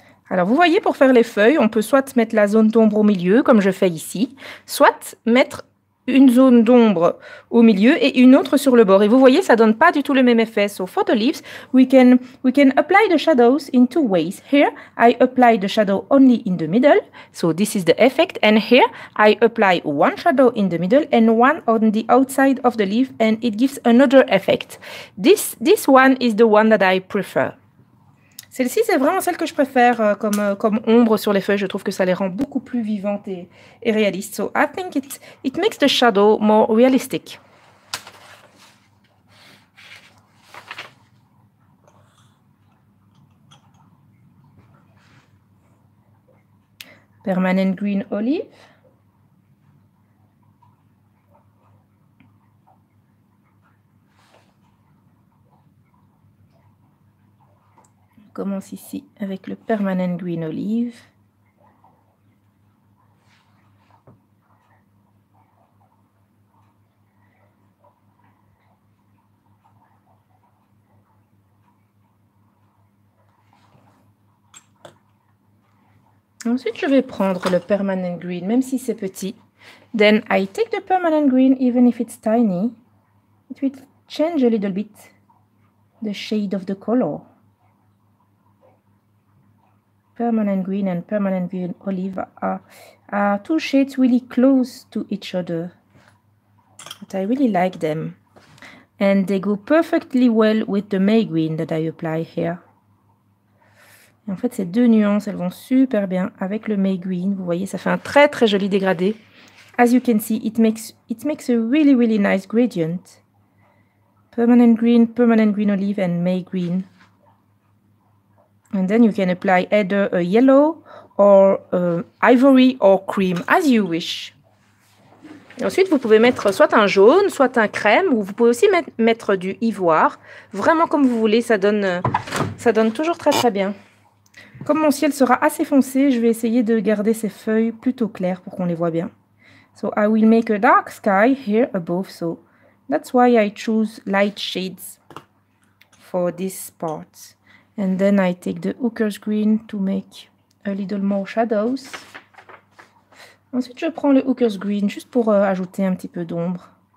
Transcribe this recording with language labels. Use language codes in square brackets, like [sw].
[fr] Alors, vous voyez, pour faire les feuilles, on peut soit mettre la zone d'ombre au milieu, comme je fais ici, soit mettre une zone d'ombre au milieu et une autre sur le bord. Et vous voyez, ça ne donne pas du tout le même effet. [en] So, for the leaves, we can apply the shadows in two ways. Here, I apply the shadow only in the middle. So, this is the effect. And here, I apply one shadow in the middle and one on the outside of the leaf. And it gives another effect. This one is the one that I prefer. [fr] Celle-ci, c'est vraiment celle que je préfère comme ombre sur les feuilles. Je trouve que ça les rend beaucoup plus vivantes et réalistes. [en] So, I think it makes the shadow more realistic. Permanent Green Olive. [fr] On commence ici avec le Permanent Green Olive. Ensuite, je vais prendre le Permanent Green, même si c'est petit. [en] Then I take the Permanent Green, even if it's tiny. It will change a little bit the shade of the color. Permanent Green and Permanent Green Olive are two shades really close to each other. But I really like them. And they go perfectly well with the May Green that I apply here. [fr] Et en fait, ces deux nuances, elles vont super bien avec le May Green. Vous voyez, ça fait un très très joli dégradé. [en] As you can see, it makes a really really nice gradient. Permanent Green Olive and May Green. And then you can apply either a yellow or ivory or cream, as you wish. [fr] Et ensuite, vous pouvez mettre soit un jaune, soit un crème, ou vous pouvez aussi mettre du ivoire. Vraiment comme vous voulez, ça donne toujours très très bien. Comme mon ciel sera assez foncé, je vais essayer de garder ces feuilles plutôt claires pour qu'on les voit bien. [en] So I will make a dark sky here above, so that's why I choose light shades for this part. And then I take the Hooker's Green to make a little more shadows. [fr] Ensuite, je prends le Hooker's Green juste pour ajouter un petit peu d'ombre.